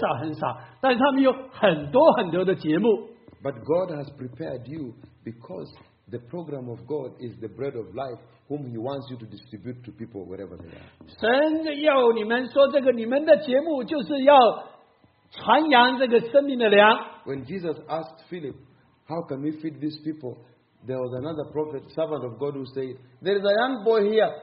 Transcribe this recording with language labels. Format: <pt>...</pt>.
<zh>有许多超大的教会，他们的祷告很少很少，但是他们有很多很多的节目。</zh> <en>But God has prepared you because the program of God is the bread of life, whom He wants you to distribute to people wherever they are.</en> <zh>神要你们说这个，你们的节目就是要传扬这个生命的粮。</zh> <en>When Jesus asked Philip, how can we feed these people? There was another prophet, servant of God, who said, there is a young boy here.</en>